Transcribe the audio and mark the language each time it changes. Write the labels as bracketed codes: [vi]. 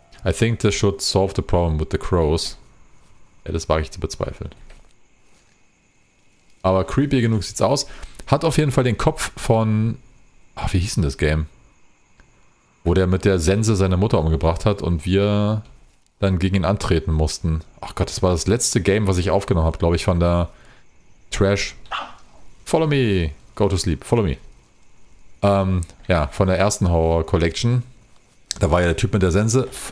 [en] I think this should solve the problem with the crows. [de] Ja, das wage ich zu bezweifeln. Aber creepy genug sieht's aus. Hat auf jeden Fall den Kopf von. Ach, wie hieß denn das Game? Wo der mit der Sense seine Mutter umgebracht hat und wir dann gegen ihn antreten mussten. Ach Gott, das war das letzte Game, was ich aufgenommen habe, glaube ich, von der Trash. [en] Follow me, go to sleep, follow me. [de] Ja, von der ersten Horror Collection. Da war ja der Typ mit der Sense.